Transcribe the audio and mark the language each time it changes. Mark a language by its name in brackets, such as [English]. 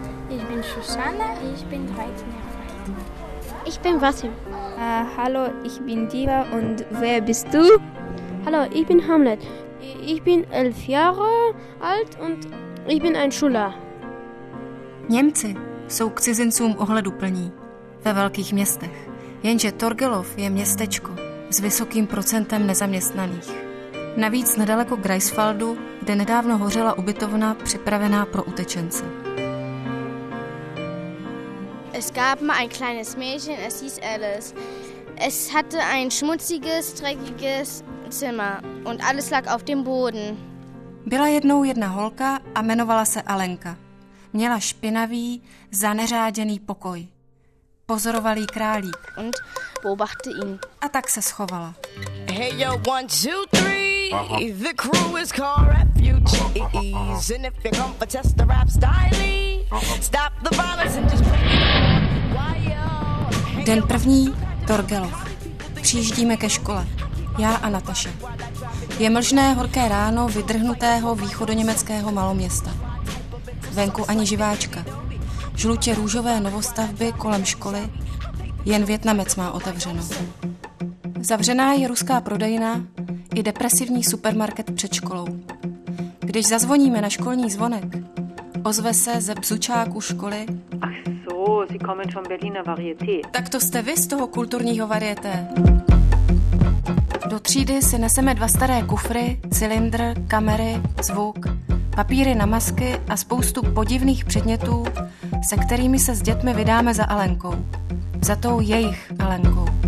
[German] Ich bin Susanne, ich bin 13 Jahre alt. Ich bin Wasim. Hallo, ich bin Diva und wer bist du? Hallo, ich bin Hamlet. Ich bin 11 Jahre alt und ich bin ein Schüler. [Czech] Němci jsou k cizincům ohleduplní ve velkých městech. Jenže Torgelov je městečko s vysokým procentem nezaměstnaných. Navíc nedaleko Greifswaldu, kde nedávno hořela ubytovna připravená pro utečence. [German] Es gab mal ein kleines Mädchen, es hieß Alice. Es hatte ein schmutziges, dreckiges Zimmer und alles lag auf dem Boden. [Czech] Byla jednou jedna holka a jmenovala se Alenka. Měla špinavý, zaneřáděný pokoj. Pozoroval jí králík. [German] Und beobachte ihn. [Czech] A tak se schovala. [English] Hey, yo, one, two, three. The crew is called refugees. And if you come for test the rap style, stop the violence and just play. [Czech] Den první, Torgelov. Přijíždíme ke škole. Já a Nataše. Je mlžné horké ráno vydrhnutého východoněmeckého maloměsta. Venku ani živáčka. Žlutě růžové novostavby kolem školy. Jen Vietnamec má otevřeno. Zavřená je ruská prodejna i depresivní supermarket před školou. Když zazvoníme na školní zvonek, ozve se ze bzučáku školy: [German] Ach so, Sie kommen von Berliner Varieté. [Czech] Tak to jste vy z toho kulturního varieté. Do třídy si neseme dva staré kufry, cylindr, kamery, zvuk, papíry na masky a spoustu podivných předmětů, se kterými se s dětmi vydáme za Alenkou. Za tou jejich Alenkou.